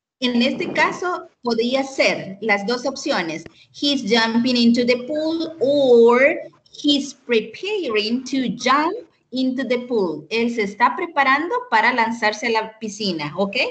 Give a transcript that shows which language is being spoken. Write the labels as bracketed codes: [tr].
[es] En este caso, podría ser las dos opciones. [en] He's jumping into the pool or he's preparing to jump into the pool. [es] Él se está preparando para lanzarse a la piscina, ¿ok?